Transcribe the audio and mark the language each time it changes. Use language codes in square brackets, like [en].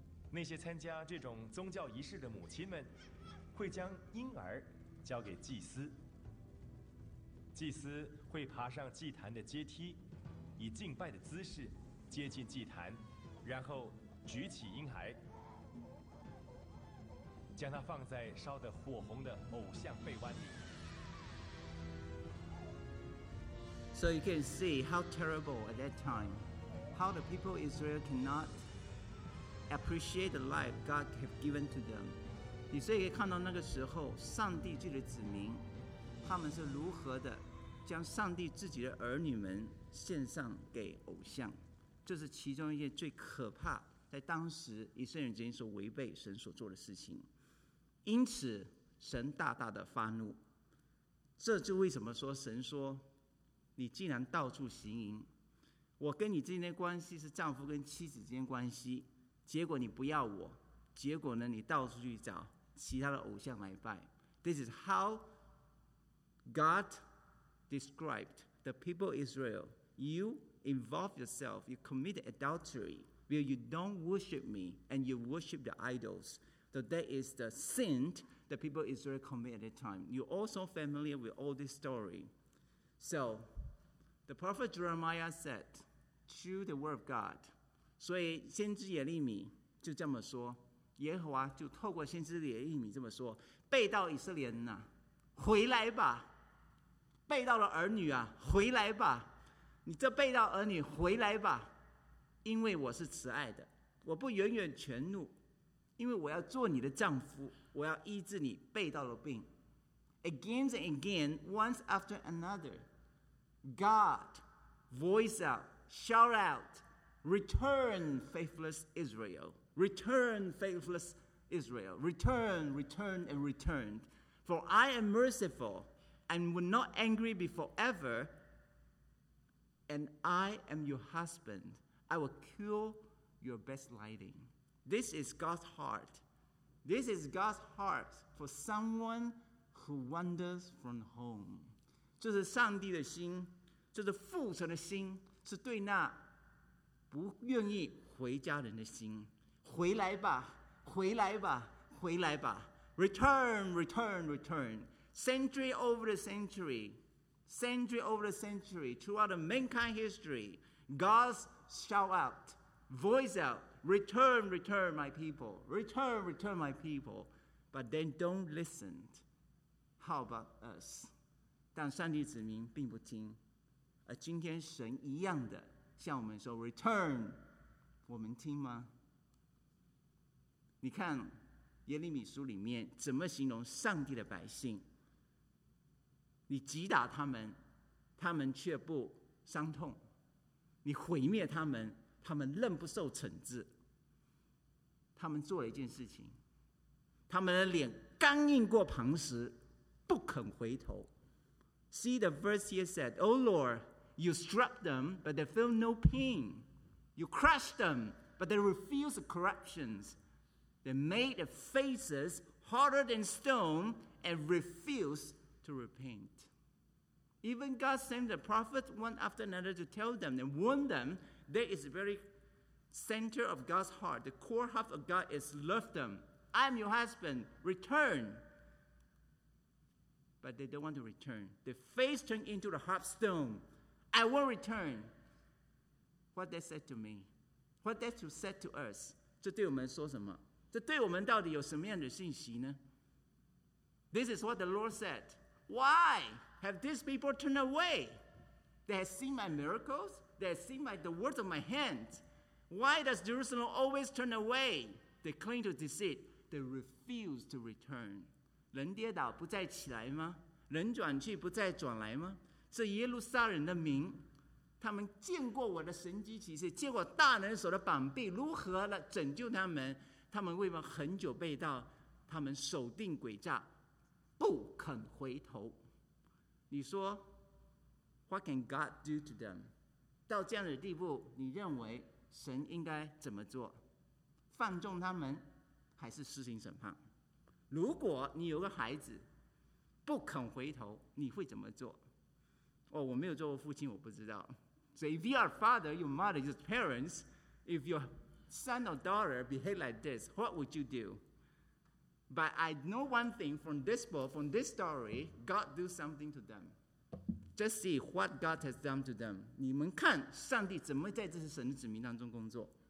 [zh] 那些参加这种宗教仪式的母亲们会将婴儿交给祭司，祭司会爬上祭坛的阶梯，以敬拜的姿势接近祭坛，然后举起婴孩，将它放在烧得火红的偶像背弯里。 [en] So you can see how terrible at that time, how the people of Israel cannot appreciate the life God has given to them. [zh] 你所以可以看到那个时候，上帝自己的子民，他们是如何的将上帝自己的儿女们献上给偶像，这是其中一件最可怕，在当时以色列人之间所违背神所做的事情。因此，神大大的发怒。这就为什么说神说。你竟然到处行淫，我跟你之间的关系是丈夫跟妻子之间关系，结果你不要我，结果呢你到处去找其他的偶像来拜。 [en] This is how God described the people of Israel. You involve yourself, you commit adultery, where you don't worship me and you worship the idols. So that is the sin the people of Israel commit at the time. You're also familiar with all this story. So,The prophet Jeremiah said, through the word of God. 所以先知耶利米就这么说，耶和华就透过先知耶利米这么说，被盗以色列人啊，回来吧，被盗的儿女啊，回来吧，你这被盗儿女回来吧，因为我是慈爱的，我不永远全怒，因为我要做你的丈夫，我要医治你被盗的病。 Again and again, once after anotherGod voice out, shout out, return faithless Israel, return faithless Israel, return, return and return. For I am merciful and will not angry be forever. And I am your husband. I will cure your backsliding. This is God's heart. This is God's heart for someone who wanders from home. [zh] 这是上帝的心。这是父神的心，是对那不愿意回家人的心。回来吧，回来吧，回来吧。 [en] Return, return, return. Century over the century, century over the century, throughout the mankind history, God's shout out, voice out, return, return, my people. Return, return, my people. But they don't listen. How about us? [zh] 但上帝子民并不听。而今天神一样的向我们说 return， 我们听吗？你看耶利米书里面怎么形容上帝的百姓，你击打他们，他们却不伤痛，你毁灭他们，他们仍不受惩治。他们做了一件事情，他们的脸刚硬过磐石，不肯回头。 [en] See the verse here said, O LordYou struck them, but they feel no pain. You crushed them, but they refuse the corruptions. They made their faces harder than stone and refused to repent. Even God sent the prophets one after another to tell them and warn them. There is the very center of God's heart. The core heart of God is love them. I am your husband. Return. But they don't want to return. Their face turned into a hard stone. I will return. What that said to me, what that you said to us, [zh] 这对我们说什么？这对我们到底有什么样的信息呢？ [en] This is what the Lord said. Why have these people turned away? They have seen my miracles. They have seen the words of my hands. Why does Jerusalem always turn away? They cling to deceit. They refuse to return. [zh] 人跌倒不再起来吗？人转去不再转来吗？这耶路撒冷的民，他们见过我的神迹奇事，见过大能手的膀臂如何来拯救他们，他们为什么很久被盗，他们守定诡诈不肯回头。你说 [en] What can God do to them? [zh] 到这样的地步，你认为神应该怎么做？放纵他们还是施行审判？如果你有个孩子不肯回头，你会怎么做？哦，我没有做过父亲，我不知道。 [en] So if you are father, your mother, your parents, if your son or daughter behave like this, what would you do? But I know one thing from this book, from this story, God do something to them. Just see what God has done to them. [zh] 你们看上帝怎么在这些神的子民当中工作。